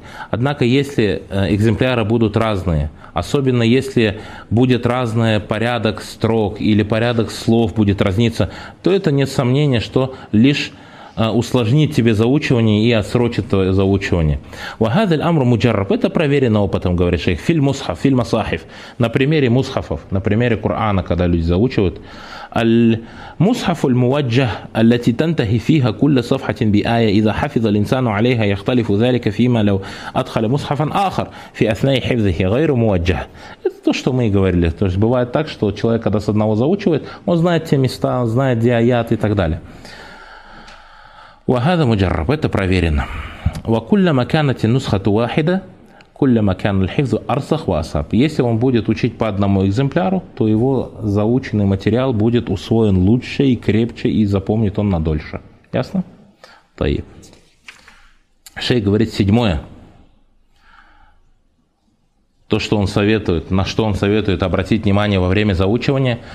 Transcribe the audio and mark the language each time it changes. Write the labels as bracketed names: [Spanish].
[Russian] Однако, если экземпляры будут разные, особенно если будет разный порядок строк или порядок слов будет разниться, то это нет сомнения, что лишь усложнит тебе заучивание и отсрочит твое заучивание. [Arabic] Вахадаль амру муджарраб. [Russian] Это проверено опытом, говорит шейх. [Arabic] Филь мусхаф, филь масахиф. [Russian] На примере мусхафов, на примере Корана, когда люди заучивают. [Arabic] المصحف الموجه التي تنتهي فيها كل صفحة بآية إذا حفظ الإنسان عليها يختلف ذلك فيما لو أدخل مصحفا آخر في أثناء حفظه غير موجه. [Russian] Это то, что мы и говорили. То есть бывает так, что человек, когда с одного заучивает, он знает те места, он знает диаят и так далее. [Arabic] وهذا مجرب. [Russian] Это проверено. [Arabic] وكلما كانت النسخة واحدة كلما كان الحفظ أرسخ وأصعب. [Russian] Если он будет учить по одному экземпляру, то его заученный материал будет усвоен лучше и крепче, и запомнит он надольше. Ясно? Таи. Шейх говорит седьмое. То, что он советует, на что он советует обратить внимание во время заучивания.